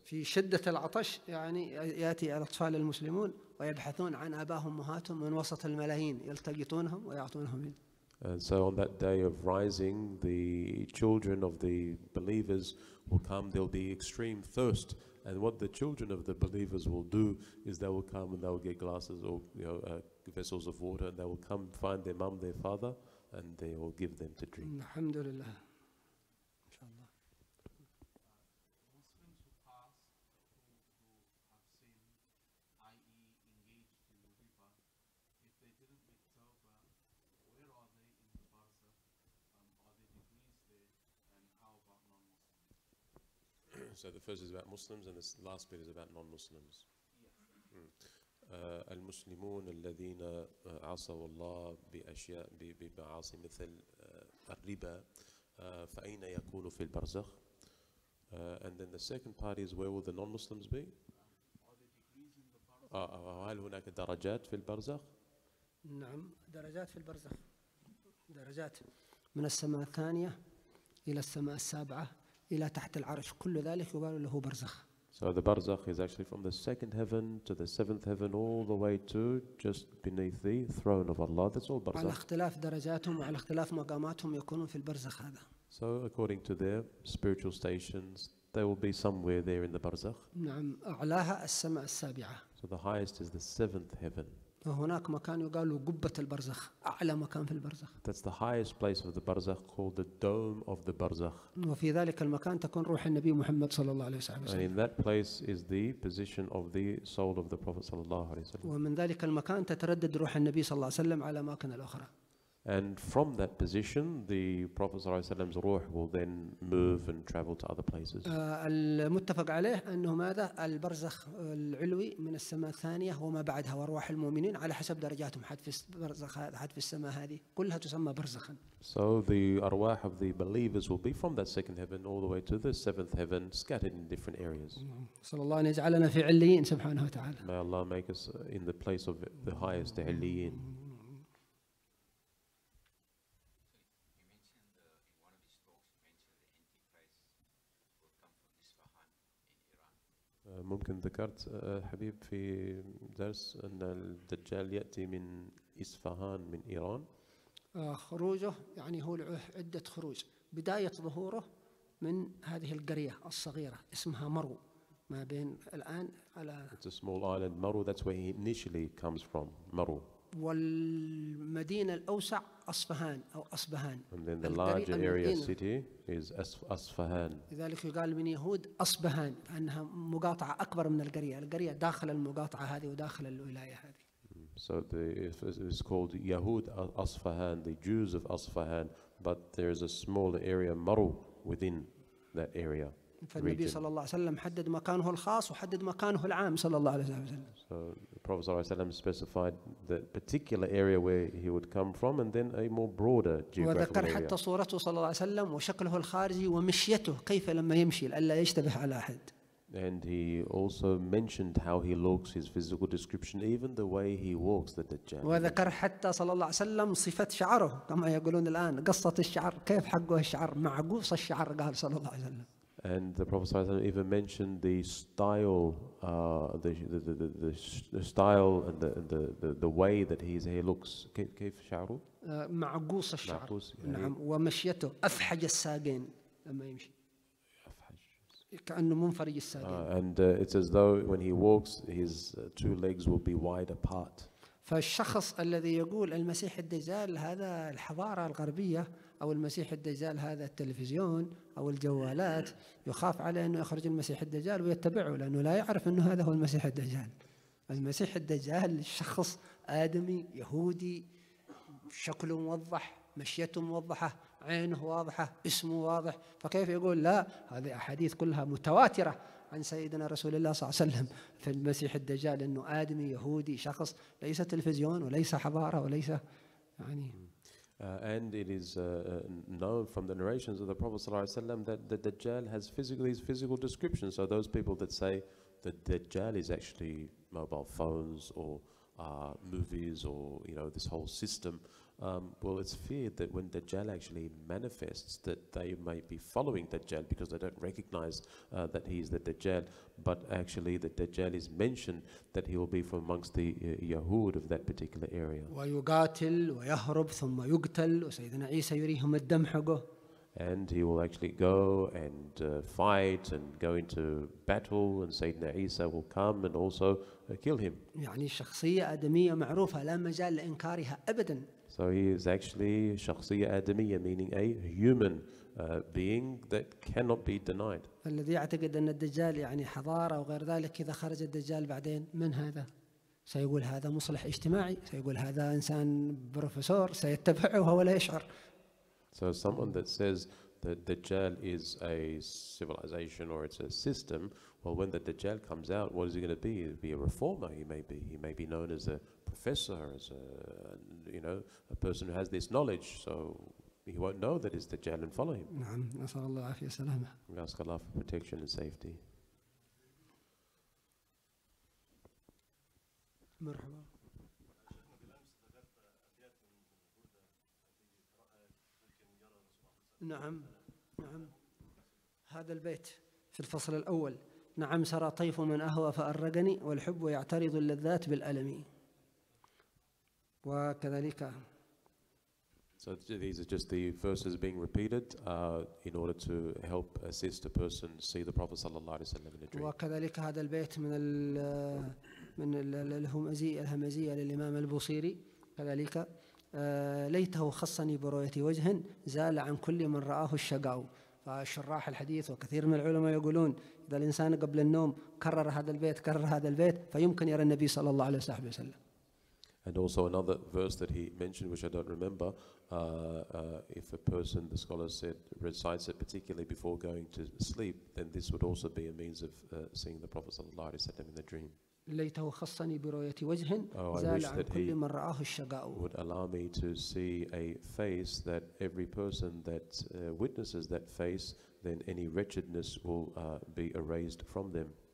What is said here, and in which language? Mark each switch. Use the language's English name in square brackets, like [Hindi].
[Arabic] في شدة العطش يعني يأتي الأطفال المسلمون ويبحثون عن أباهم مهاتهم من وسط الملايين يلتقطونهم ويعطونهم. [English] And so on that day of rising, the children of the believers will come. There'll be extreme thirst, and what the children of the believers will do is they will come and they will get glasses or vessels of water, and they will come find their mum, their father, and they will give them to drink. [Arabic] Alhamdulillah. [English] So the first is about Muslims, and the last bit is about non-Muslims. [Arabic] المسلمون الذين عصوا الله بأشياء بمعاصي مثل الربا فأين يكون في البرزخ. [English] And then the second part is where will the non-Muslims be? [Arabic] هل هناك درجات في البرزخ؟ نعم درجات في البرزخ درجات من السماء الثانية إلى السماء السابعة. إلى تحت العرش كل ذلك يقال له برزخ. [English] So the barzakh is actually from the second heaven to the seventh heaven all the way to just beneath the throne of Allah. That's all barzakh. [Arabic] على اختلاف درجاتهم وعلى اختلاف مقاماتهم يكونون في البرزخ هذا. [English] So according to their spiritual stations, they will be somewhere there in the barzakh. [Arabic] نعم أعلاها السماء السابعة. [English] So the highest is the seventh heaven. [Arabic] هناك مكان يقال له قبة البرزخ أعلى مكان في البرزخ. [English] That's the highest place of the barzakh called the dome of the barzakh. [Arabic] وفي ذلك المكان تكون روح النبي محمد صلى الله عليه وسلم. [English] And in that place is the position of the soul of the Prophet [Arabic] صلى الله عليه وسلم. ومن ذلك المكان تتردد روح النبي صلى الله عليه وسلم على أماكن الأخرى. [English] And from that position, the Prophet [Arabic] صلى الله عليه وسلم's [English] ruh will then move and travel to other places. [Arabic] المتفق عليه أنه ماذا البرزخ العلوي من السماء الثانية وما بعدها وأرواح المؤمنين على حسب درجاتهم حد في البرزخ حد في السماء هذه كلها تسمى برزخا. [English] So the arwah of the believers will be from that second heaven all the way to the seventh heaven, scattered in different areas. [Arabic] صلى الله أن يجعلنا في عليين سبحانه وتعالى. [English] May Allah make us in the place of the highest عليين. [Arabic] ممكن ذكرت حبيب في درس أن الدجال يأتي من إصفهان من إيران. خروجه يعني هو له عدة خروج. بداية ظهوره من هذه القرية الصغيرة اسمها مرو. ما بين الآن على. [English] It's a small island, Maru. That's where he initially comes from, Maru. [Arabic] والمدينة الأوسع أصفهان أو أصبهان. [English] And then the larger area city is أصفهان. [Arabic] لذلك يقال من يهود أصبهان أنها مقاطعة أكبر من القرية. القرية داخل المقاطعة هذه وداخل الولاية هذه. [English] So the it's called Yahud Asfahan, the Jews of Asfahan, but there is a smaller area Maru within that area. [Arabic] فالنبي صلى الله عليه وسلم حدد مكانه الخاص وحدد مكانه العام صلى الله عليه وسلم. [English] So the Prophet [Arabic] صلى الله عليه وسلم [English] specified the particular area where he would come from and then a more broader geographical area. [Arabic] وذكر حتى صورته صلى الله عليه وسلم وشكله الخارجي ومشيته كيف لما يمشي لألا يشتبه على أحد. [English] And he also mentioned how he looks, his physical description, even the way he walks, the Dajjal. [Arabic] وذكر حتى صلى الله عليه وسلم صفة شعره كما يقولون الآن قصة الشعر كيف حقه الشعر معقوص الشعر قال صلى الله عليه وسلم. [English] And the Prophet even mentioned the style, the style and the way that his hair looks. [Arabic] كيف شعره؟ معقوص الشعر. نعم ومشيته أفحج الساقين لما يمشي. كأنه منفرج الساقين. [English] And it's as though when he walks, his two legs will be wide apart. [Arabic] فالشخص الذي يقول المسيح الدجال هذا الحضارة الغربية أو المسيح الدجال هذا التلفزيون أو الجوالات يخاف على أنه يخرج المسيح الدجال ويتبعه لأنه لا يعرف أنه هذا هو المسيح الدجال. المسيح الدجال شخص آدمي يهودي شكله موضح مشيته موضحة عينه واضحة اسمه واضح فكيف يقول لا هذه أحاديث كلها متواترة عن سيدنا رسول الله صلى الله عليه وسلم في المسيح الدجال أنه آدمي يهودي شخص ليس تلفزيون وليس حضارة وليس يعني. [English] And it is known from the narrations of the Prophet [Arabic] صلى الله عليه وسلم [English] that the Dajjal has physically his physical description. So those people that say that the Dajjal is actually mobile phones or movies or you know this whole system, well, it's feared that when Dajjal actually manifests, that they might be following Dajjal because they don't recognize that he is the Dajjal. But actually, the Dajjal is mentioned that he will be from amongst the Yahud of that particular area. [Arabic] ويقاتل ويهرب ثم يقتل وسيدنا عيسى يريهم الدم حقه. [English] And he will actually go and fight and go into battle, and Sayyidina Isa will come and also kill him. [Arabic] يعني شخصية آدمية معروفة لا مجال لإنكارها أبداً. [English] So he is actually [Arabic] شخصية آدمية, [English] meaning a human being that cannot be denied. [Arabic] الذي يعتقد أن الدجال يعني حضارة وغير ذلك إذا خرج الدجال بعدين من هذا؟ سيقول هذا مصلح اجتماعي, سيقول هذا إنسان بروفيسور سيتبعه وهو لا يشعر. [English] So someone that says that the Dajjal is a civilization or it's a system, well, when the Dajjal comes out, what is he going to be? He'll be a reformer. He may be known as a professor, as a you know a person who has this knowledge. So he won't know that it's the Dajjal and follow him. [Arabic] نعم نسأل الله عافية سلامة. [English] We ask Allah for protection and safety. [Arabic] مرحبا. نعم نعم هذا البيت في الفصل الأول. نعم سرى طيف من أهوى فأرقني والحب يعترض اللذات بالألم وكذلك. [English] So these are just the verses being repeated in order to help assist a person see the Prophet [Arabic] صلى الله عليه وسلم [English] in a dream. [Arabic] وكذلك هذا البيت من الهمزية للإمام البوصيري كذلك. ليته خصني برؤية وجه زال عن كل من رآه الشقاو. فشراح الحديث وكثير من العلماء يقولون إذا الإنسان قبل النوم كرر هذا البيت كرر هذا البيت فيمكن يرى النبي صلى الله عليه وسلم. [English] And also another verse that he mentioned which I don't remember, if a person, the scholar said, recites it particularly before going to sleep, then this would also be a means of seeing the Prophet [Arabic] صلى الله عليه وسلم [English] in the dream. [Arabic] ليته خصني برؤية وجه زال عن كل من رآه الشقاء. [English] Would allow me to see a face that every person that witnesses that face, then any wretchedness will be erased from them.